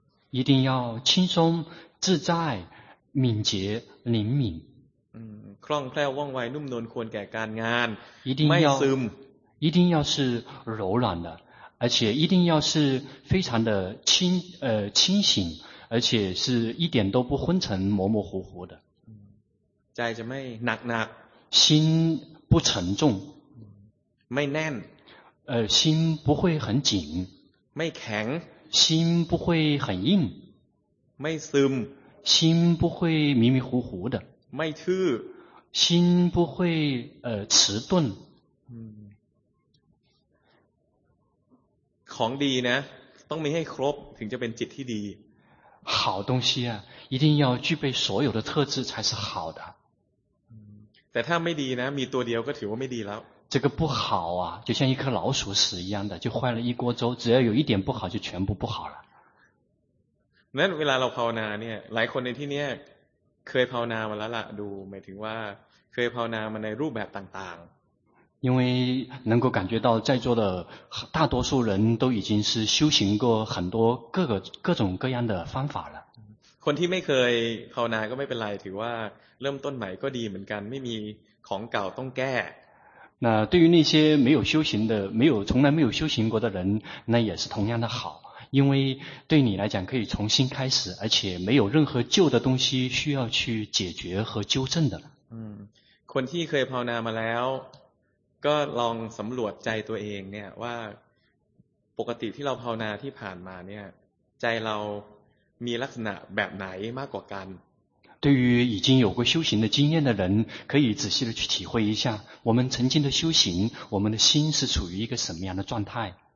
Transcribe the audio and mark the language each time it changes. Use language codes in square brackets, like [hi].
[zh] 一定要轻松自在敏捷灵敏 [th] คล่องแคล่วว่องไวนุ่มนวลควรแก่การงาน ไม่ซึม [zh] 一定要是柔软的而且一定要是非常的清醒而且是一点都不昏沉模模糊糊的 [th] ใจจะไม่หนักหนัก [zh] 心不沉重 [th] ไม่แน่น [zh] 心不会很紧 [th] ไม่แข็ง [zh] 心不会很硬 [th] ไม่ซึม [zh] 心不会迷迷糊糊的 [th] ไม่ทื่อ [zh] 心不会迟钝 [th] ของดีนะต้องมีให้ครบถึงจะเป็นจิตที่ดี [zh] 好东西啊一定要具备所有的特质才是好的 [th] แต่ถ้าไม่ดีนะมีตัวเดียวก็ถือว่าไม่ดีแล้ว [zh] 这个不好啊就像一颗老鼠屎一样的就坏了一锅粥只要有一点不好就全部不好了 [th] นั้นเวลาเราภาวนาเนี่ยหลายคนในที่เนี้ยเคยภาวนามาแล้วล่ะดูหมายถึงว่าเคยภาวนามาในรูปแบบต่าง [zh] ๆ因为能够感觉到在座的大多数人都已经是修行过很多各种各样的方法了 [th] คนที่ไม่เคยภาวนาก็ไม่เป็นไรถือว่าเริ่มต้นใหม่ก็ดีเหมือนกันไม่มีของเก่าต้องแก้ [zh] 那对于那些没有修行的没有从来没有修行过的人那也是同样的好因为对你来讲可以重新开始而且没有任何旧的东西需要去解决和纠正的 [th] คนที่เคยภาวนามาแล้วก็ลองสำรวจใจตัวเองเนี่ยว่าปกติที่เราภาวนาที่ผ่านมาเนี่ยใจเรามีลักษณะแบบไหนมากกว่ากัน [zh] 对于已经有过修行的经验的人，可以仔细的去体会一下，我们曾经的修行，我们的心是处于一个什么样的状态。